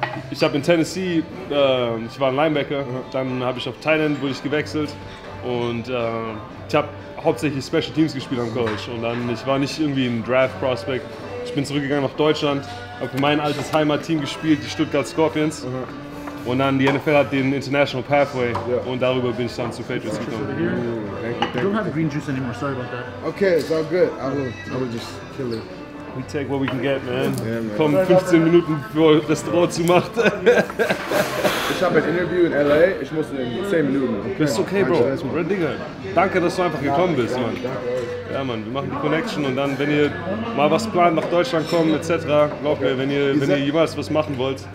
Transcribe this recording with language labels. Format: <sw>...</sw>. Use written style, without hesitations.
<de>Ich habe in Tennessee, ich war ein Linebacker, dann habe ich auf Tight End, wurde ich gewechselt und ich habe hauptsächlich Special Teams gespielt am College und dann, ich war nicht irgendwie ein Draft Prospect, ich bin zurückgegangen nach Deutschland, habe für mein altes Heimatteam gespielt, die Stuttgart Scorpions und dann die NFL hat den International Pathway und darüber bin ich dann zu Patriots gekommen.</de> <en>You don't have green juice anymore, sorry about that. Okay, it's all good, I will just kill it. We take what we can get, man.</en> <de>Yeah, komm, 15 Minuten, bevor das Tor zumacht. Ich habe ein Interview in L.A., ich muss in 10 Minuten. Okay. Das ist okay, Bro. Red Digger, danke, dass du einfach gekommen bist, Mann. Ja, Mann, wir machen die Connection und dann, wenn ihr mal was plant, nach Deutschland kommen, etc., glaubt mir, wenn ihr jemals was machen wollt,</de>